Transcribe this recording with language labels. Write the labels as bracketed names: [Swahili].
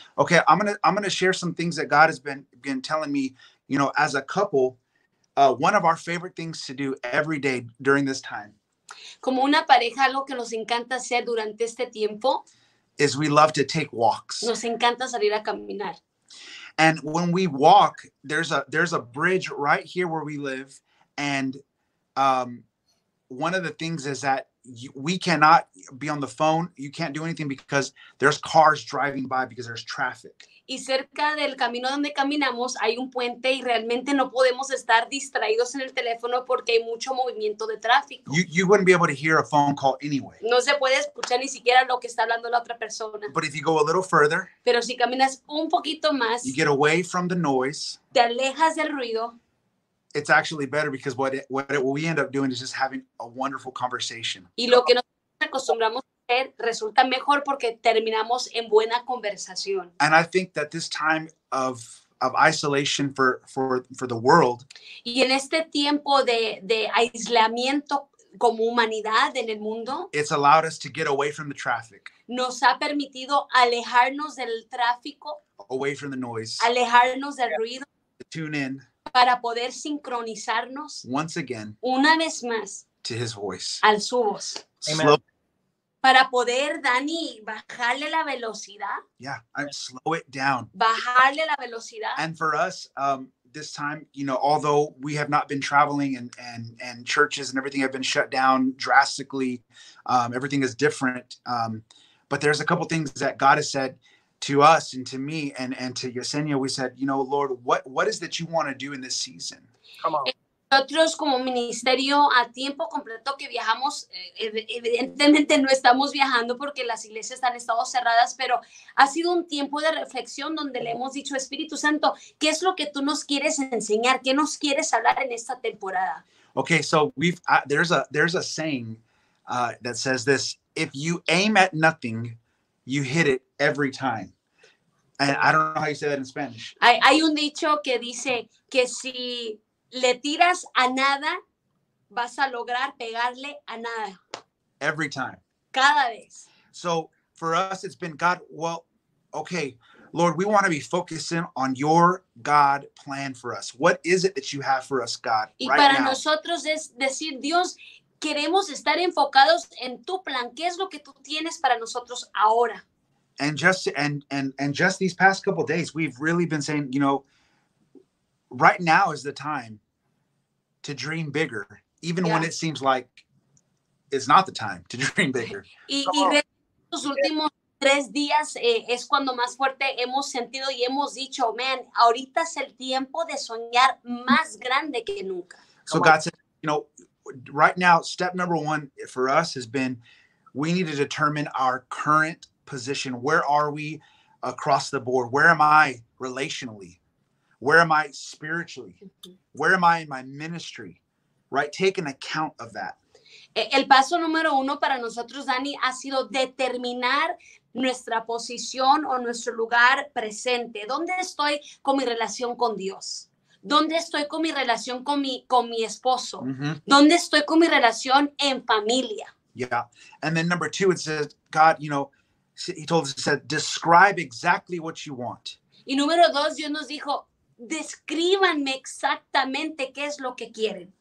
[English] Okay, I'm gonna share some things that God has been telling me. You know, as a couple, one of our favorite things to do every day during this time. [Spanish] Como una pareja, algo que nos encanta hacer durante este tiempo. [English] Is we love to take walks. [Spanish] Nos encanta salir a caminar. [English] And when we walk, there's a bridge right here where we live, and one of the things is that we cannot be on the phone. You can't do anything because there's cars driving by because there's traffic. [Spanish] Y cerca del camino donde caminamos hay un puente, y realmente no podemos estar distraídos en el teléfono porque hay mucho movimiento de tráfico. [English] You wouldn't be able to hear a phone call anyway. [Spanish] No se puede escuchar ni siquiera lo que está hablando la otra persona. [English] But if you go a little further, [Spanish] pero si caminas un poquito más, [English] you get away from the noise, [Spanish] te alejas del ruido. [English] It's actually better because what we end up doing is just having a wonderful conversation. [Spanish] Y lo que nos acostumbramos a hacer resulta mejor porque terminamos en buena conversación. [English] And I think that this time of of isolation for the world. [Spanish] Y en este tiempo de aislamiento como humanidad en el mundo, [English] it's allowed us to get away from the traffic. [Spanish] Nos ha permitido alejarnos del tráfico. [English] Away from the noise. [Spanish] Alejarnos del ruido. [English] To tune in. [Spanish] Para poder sincronizarnos. [English] Once again. [Spanish] Una vez más. [English] To his voice. [Spanish] Al su voz. [English] Amen. Slow. [Spanish] Para poder, Dani, bajarle la velocidad. [English] Yeah, I'd slow it down. [Spanish] Bajarle la velocidad. [English] And for us, this time, you know, although we have not been traveling and churches and everything have been shut down drastically, everything is different. But there's a couple things that God has said to us and to me and to Yesenia. We said, you know, Lord, what is that you want to do in this season? Come on. [Spanish] Nosotros como ministerio a tiempo completo que viajamos, evidentemente no estamos viajando porque las iglesias han estado cerradas, pero ha sido un tiempo de reflexión donde le hemos dicho, Espíritu Santo, ¿qué es lo que tú nos quieres enseñar? ¿Qué nos quieres hablar en esta temporada? [English] Okay, so there's a saying that says this, if you aim at nothing, you hit it every time. And I don't know how you say that in Spanish. [Spanish] Hay un dicho que dice que si le tiras a nada, vas a lograr pegarle a nada. [English] Every time. [Spanish] Cada vez. [English] So for us, it's been God, well, okay, Lord, we want to be focusing on your God plan for us. What is it that you have for us, God, right now? [Spanish] Y para nosotros es decir, Dios, queremos estar enfocados en tu plan. ¿Qué es lo que tú tienes para nosotros ahora? [English] And just, and just these past couple of days, we've really been saying, you know, right now is the time to dream bigger, even yeah. when it seems like it's not the time to dream bigger. [Spanish] Y los últimos tres días es cuando más fuerte hemos sentido y hemos dicho, man, ahorita es el tiempo de soñar más grande que nunca. [English] So God said, you know, right now, step number one for us has been, we need to determine our current position. Where are we across the board? Where am I relationally? Where am I spiritually? Where am I in my ministry? Right? Take an account of that. [Spanish] El paso número uno para nosotros, Dani, ha sido determinar nuestra posición o nuestro lugar presente. ¿Dónde estoy con mi relación con Dios? ¿Dónde estoy con mi relación con mi esposo? Mm-hmm. ¿Dónde estoy con mi relación en familia? Yeah. [English] And then number two, it says, God, you know, he told us, he said, describe exactly what you want. [Spanish] Y número dos, Dios nos dijo, descríbanme exactamente qué es lo que quieren.